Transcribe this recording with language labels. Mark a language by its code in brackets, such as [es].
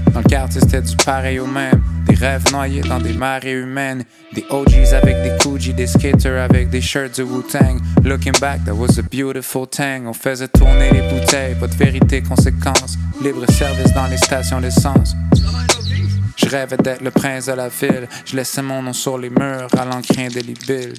[fr] Dans le quartier, c'était du pareil au même. Des rêves noyés dans des marées humaines. Des OGs avec des Coogee, des skaters avec des shirts de Wu-Tang. [en] Looking back, that was a beautiful thing. [fr] On faisait tourner les bouteilles, pas de vérité, conséquence. Libre service dans les stations d'essence. Je rêvais d'être le prince de la ville. Je laissais mon nom sur les murs à l'encrin des libelles.